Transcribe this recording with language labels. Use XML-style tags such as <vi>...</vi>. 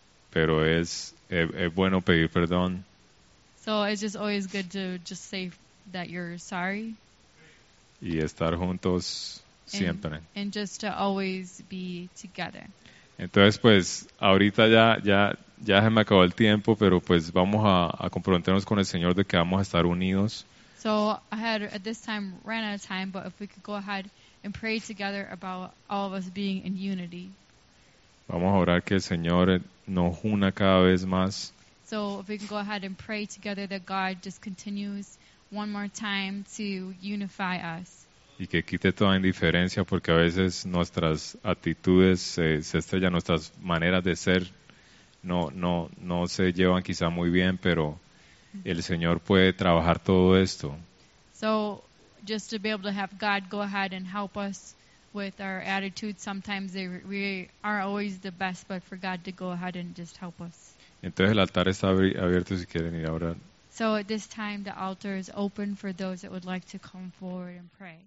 <es>Pero es bueno pedir perdón.</es> <en>So it's just always good to just say that you're sorry.</en> <es>Y estar juntos siempre.</es> <en>And just to always be together.</en> <es>Entonces, pues, ahorita ya se me acabó el tiempo, pero pues vamos a comprometernos con el Señor de que vamos a estar unidos.</es> <en>So I had at this time ran out of time, but if we could go ahead and pray together about all of us being in unity.</en> <es>Vamos a orar que el Señor nos una cada vez más.</es> <en>So if we can go ahead and pray together that God just continues one more time to unify us.</en> <es>Y que quite toda indiferencia porque a veces nuestras actitudes se estrellan, nuestras maneras de ser no se llevan quizá muy bien, pero el Señor puede trabajar todo esto.</es> <en>So just to be able to have God go ahead and help us with our attitudes. Sometimes we aren't always the best, but for God to go ahead and just help us.</en> <es>Entonces el altar está abierto si quieren ir a orar.</es> <en>So at this time, the altar is open for those that would like to come forward and pray.</en>